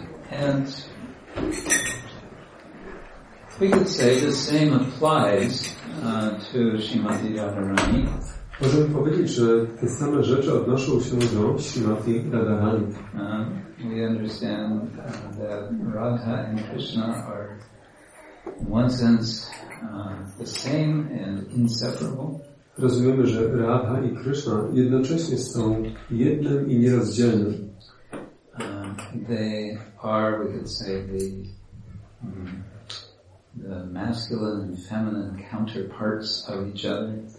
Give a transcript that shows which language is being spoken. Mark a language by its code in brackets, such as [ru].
[en] And we could say the same applies to Srimati Radharani. [pl] Możemy powiedzieć, że te same rzeczy odnoszą się do Srimati Radharani. [en] We understand that Radha and Krishna are in one sense the same and inseparable. [pl] Rozumiemy, że Radha i Krishna jednocześnie są jednym i nierozdzielnym. [en] They are, we could say, the masculine and feminine counterparts of each other.